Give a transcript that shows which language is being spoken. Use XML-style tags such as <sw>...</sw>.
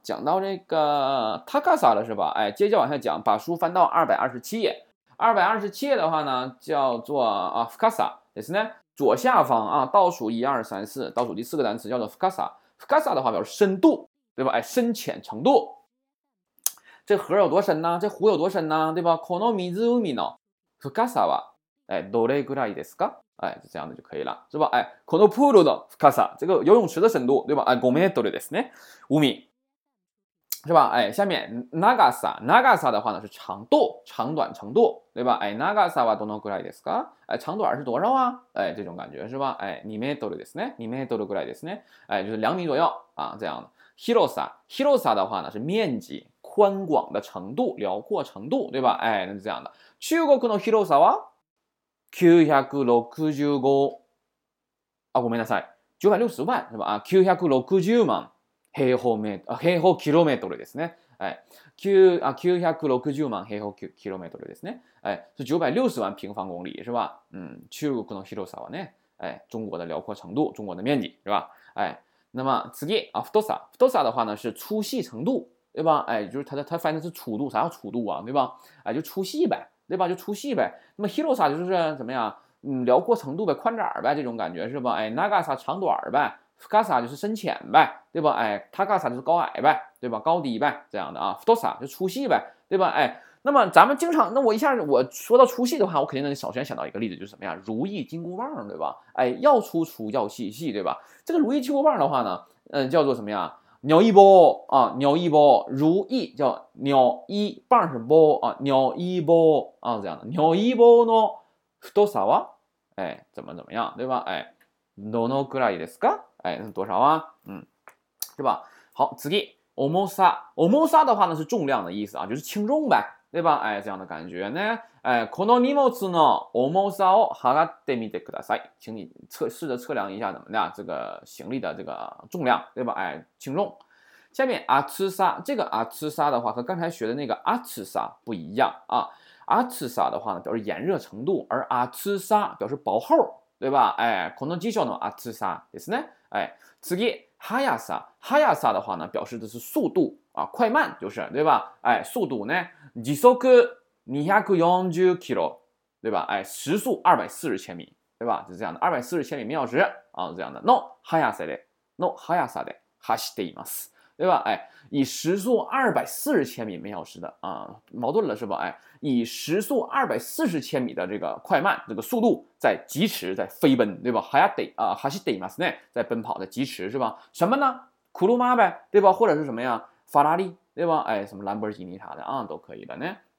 <zh>讲到这个 takasa 了是吧？哎，接着往下讲，把书翻到227页，227页的话呢，叫做 fukasa ですね。左下方啊，倒数一二三四，倒数第四个单词叫做 fukasa。 fukasa 的话表示深度，对吧？哎，深浅程度。这河有多深呢？这湖有多深呢？对吧？</zh> <ja>この湖の深さは、哎，どれぐらいですか？</ja> <zh>哎，就这样的就可以了，是吧？哎，</zh> <ja>このプールの深さ，</ja> <zh>这个游泳池的深度，对吧？</zh> <ja>哎，5メートルですね，</ja> <zh>5米，是吧？哎，下面長さ的话呢是长度、长短程度，对吧？</zh> <ja>哎，長さはどのぐらいですか？</ja> <zh>哎，长短是多少啊？哎，这种感觉是吧？</zh> <ja>哎，2メートルですね，2メートルぐらいですね，哎，</ja> <zh>就是2米左右啊，这样的。広さ的话呢是面积、宽广的程度、辽阔程度，对吧？哎，那是这样的。</zh> <ja>中国の広さは965あ、ごめんなさい。</ja> <zh>960万是吧？</zh> <ja>あ、960万平方メートル、平方キロメートルですね。はい。 9、あ、960万平方キロメートルですね。はい。</ja> <zh>960万平方公里是吧？</zh> <ja>うん。中国の広さはね。はい。</ja> <zh>中国的辽阔程度、中国的面積是吧？はい。那么次、あ、太さ。太さ的话呢、是粗细程度、对吧？はい。就是它翻译的是粗度。啥叫粗度啊？对吧？はい。就粗细呗。对吧？就粗细呗。那么 Hirosa 就是怎么样？辽阔程度呗，宽窄呗，这种感觉是吧？哎，Nagasa 长短呗，Fukasa 就是深浅呗，对吧？哎，Takasa 就是高矮呗，对吧？高低呗，这样的啊。 Futosa 就粗细呗，对吧？哎，那么咱们经常，那我一下我说到粗细的话，我肯定能首先想到一个例子，就是什么呀？如意金箍棒，对吧？哎，要粗粗，要细细，对吧？这个如意金箍棒的话呢，叫做什么呀？鸟一波啊，鸟一波，如意叫鸟一棒是波啊，鸟一波啊，这样的鸟一波呢，多少啊？哎，怎么样，对吧？哎，</zh> <ja>どのくらいですか？</ja> <zh>哎，是多少啊？是吧？好，次，重さ的话呢是重量的意思啊，就是轻重呗，对吧？哎，这样的感觉呢？</zh> <ja>哎，この荷物の重さを測ってみてください。</ja> <zh>请你试着测量一下怎么的，这个行李的这个重量，对吧？哎，轻重。下面厚さ，这个厚さ的话和刚才学的那个厚さ不一样啊。厚さ的话呢表示炎热程度，而厚さ表示薄厚，对吧？</zh> <ja>哎，この辞書の厚さですね。</ja> <zh>哎，次速さ的话呢表示的是速度啊，快慢就是，对吧？哎，速度呢，時速240キロ，对吧？哎，时速240千米，对吧？就是这样的，240千米每小时啊，这样的。</zh> <ja>の速さで走っています。</ja> <zh>对吧？哎，以时速240千米每小时的啊，矛盾了是吧？哎，以时速240千米的这个快慢，这个速度在疾驰，在飞奔，对吧？还要得啊，还是得嘛？是呢，在奔跑，在疾驰，是吧？什么呢？库鲁马呗，对吧？或者是什么呀？法拉利，对吧？哎，什么兰博基尼啥的啊，都可以的呢。</zh>